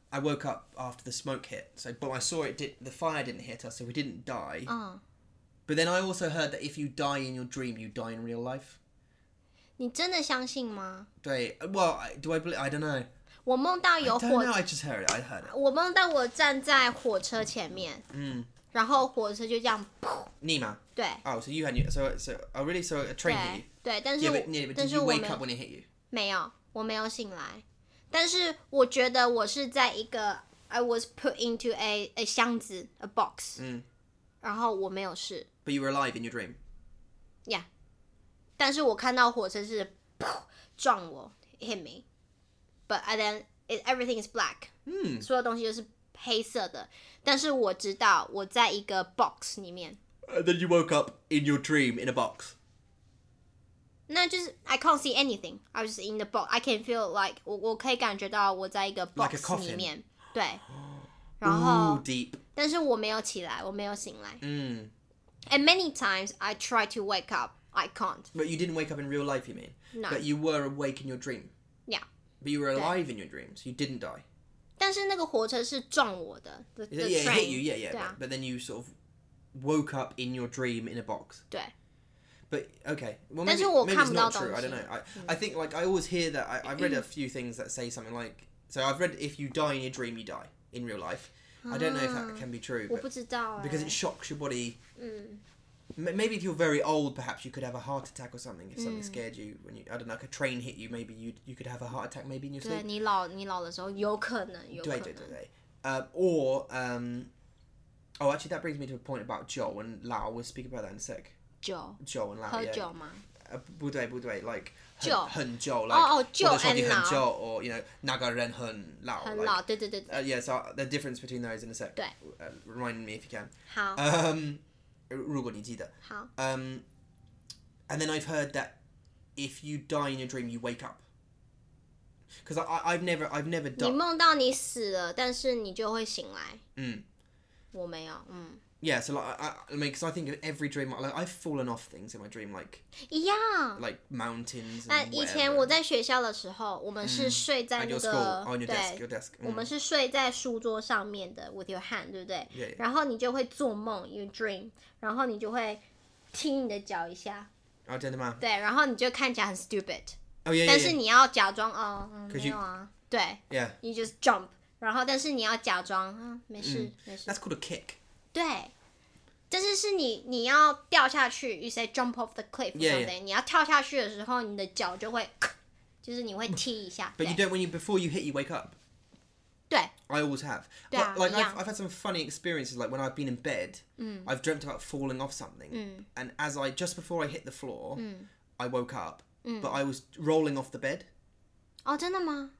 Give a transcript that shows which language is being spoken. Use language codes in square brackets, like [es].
[en] I woke up after the smoke hit. So, but I saw it, the fire didn't hit us, so we didn't die. But then I also heard that if you die in your dream, you die in real life. [zh] 你真的相信吗? [en] 对, well, do I believe? I don't know. [zh] 我梦到有火。 [en] I don't know, I just heard it. I heard it. [zh] 我梦到我站在火车前面。嗯。然后火车就这样。你吗？对。 [en] Oh, so you had you. So, oh, really? So a train hit you? [zh] 对，但是我。 [en] Yeah, but did you wake up when it hit you? [zh] 没有，我没有醒来。但是我觉得我是在一个 [en] I was put into a [zh] 箱子 [en] a box. [zh] 嗯。然后我没有事。 [en] But you were alive in your dream. [zh] Yeah. 但是我看到火车是撞我 [en] hit me. But and then everything is black. 嗯。 [zh] 所有东西就是黑色的。但是我知道我在一个 box 里面。 [en] And then you woke up in your dream in a box. [zh] 那就是 [en] I can't see anything. I was in the box. I can feel like [zh] 我可以感觉到我在一个 [en] box 里面。 Like a coffin. [zh] 对。然后 [en] Ooh, deep. [zh] 但是我没有起来，我没有醒来。嗯。 [en] And many times I try to wake up, I can't. But you didn't wake up in real life, you mean? No. But you were awake in your dream. Yeah. But you were alive in your dreams. You didn't die. [zh] 但是那个火车是撞我的 the [en] yeah, train. It hit you, yeah, yeah. But then you sort of woke up in your dream in a box. 对。 But, okay. Well, maybe it's not true. I don't know. I think, like, I always hear that, I've read a few things that say something like, so I've read, if you die in your dream, you die in real life. I don't know if that can be true. [zh] 我不知道、欸、 [en] Because it shocks your body.、Mm. Maybe if you're very old, perhaps you could have a heart attack or something if something、mm. scared you. When you, I don't know, like a train hit you, maybe you could have a heart attack maybe in your sleep. [zh] 对，你老的时候有可能，有可能。对对对对。 [en] Or, oh, actually that brings me to a point about Joe and Lao. We'll speak about that in a sec. Joe and Lao, yeah. [zh] 喝酒吗？不对不对 like 很旧 [en] like [zh] 或者说你很旧 [en] or you know [zh] 那个人很老很老对对对 [en] yeah so the difference between those in a sec [zh] 对 [en] remind me if you can [zh] 好如果你记得好 [en] and then I've heard that if you die in a dream you wake up because I've never died [zh] 你梦到你死了但是你就会醒来嗯我没有嗯 [en] Yeah, so like, I mean, because I think of every dream, like, I've fallen off things in my dream, like, yeah, like mountains. And [zh] 以前我在学校的时候，我们是睡在那个 [en] on your desk. [zh] 我们是睡在书桌上面的 [en] with your hand, [zh] 对不对？ [en] Yeah, yeah. [zh] 然后你就会做梦 [en] you dream, [zh] 然后你就会踢你的脚一下。哦，真的吗？对，然后你就看起来很 stupid. [en] Oh yeah, yeah. [zh] 但是你要假装哦，没有啊，对。 [en] Yeah. You just jump, [zh] 然后但是你要假装啊，没事，没事。 [en] That's called a kick. [zh] 对，但是是你要掉下去 ， [en] you say jump off the cliff or something， yeah, yeah. [zh] 你要跳下去的时候，你的脚就会，就是你会踢一下。 [en] But you don't when you before you hit you wake up。 [zh] 对。 [en] I always have. [zh] 对啊。 [en] Like I've had some funny experiences like when I've been in bed,、mm. I've dreamt about falling off something,、mm. and as I just before I hit the floor,、mm. I woke up,、mm. but I was rolling off the bed. [zh] 哦，真的吗？